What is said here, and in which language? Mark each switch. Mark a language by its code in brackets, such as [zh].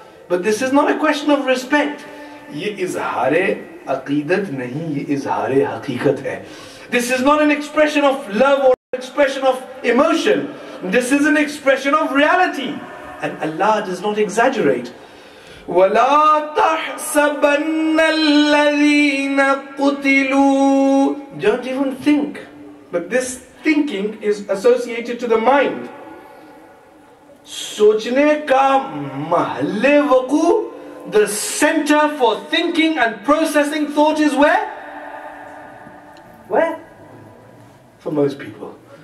[en] But this is not a question of respect. [ur] Ye izhare aqeedat nahi, ye izhare haqeeqat hai. [en] This is not an expression of love or expression of emotion. This is an expression of reality. And Allah does not exaggerate. [ar] وَلَا تَحْسَبَنَّ الَّذِينَ قُتِلُوا [en] Don't even think. But this thinking is associated to the mind. [ur] Sochne ka mahalle waku, [en] the center for thinking and processing thought is where? Where? For most people.